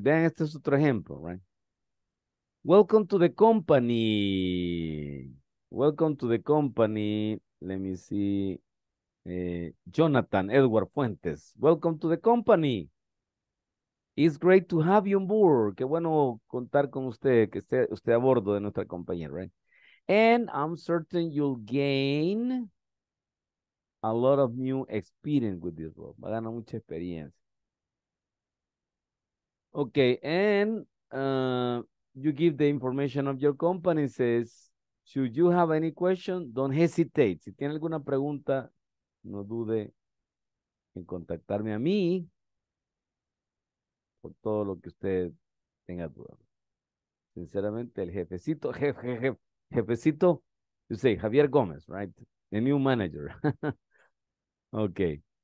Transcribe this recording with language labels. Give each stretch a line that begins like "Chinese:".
Spanish: Vean, este es otro ejemplo, right?
English: Welcome to the company. Welcome to the company. Let me see. Jonathan Edward Fuentes. Welcome to the company. It's great to have you on board.
Spanish: Qué bueno contar con usted, que esté usted a bordo de nuestra compañía, right?
English: And I'm certain you'll gain a lot of new experience with this role.
Spanish: Va a ganar mucha experiencia.
English: Okay, and you give the information of your company, says, should you have any question, don't hesitate.
Spanish: Si tiene alguna pregunta, no dude en contactarme a mí por todo lo que usted tenga duda. Sinceramente, el jefecito, jefecito,
English: you say, Javier Gómez, right? The new manager. Okay.